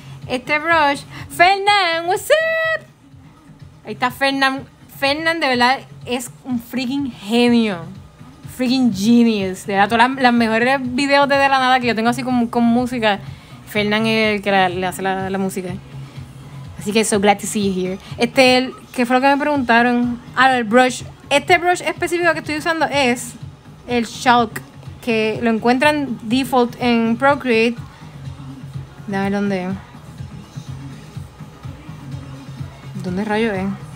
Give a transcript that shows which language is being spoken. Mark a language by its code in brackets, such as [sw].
[es] Este brush. Fernán, [en] what's up? [es] Ahí está Fernán. Fernán, de verdad, es un [en] freaking [es] genio. [en] Freaking genius. [es] De verdad, todos los mejores videos de la nada que yo tengo así con música. Fernán es el que le hace la música. Así que, [en] so glad to see you here. [es] ¿Qué fue lo que me preguntaron? A ver, brush. Este brush específico que estoy usando es el Shulk, que lo encuentran default en Procreate. Dame dónde. ¿Dónde rayo es?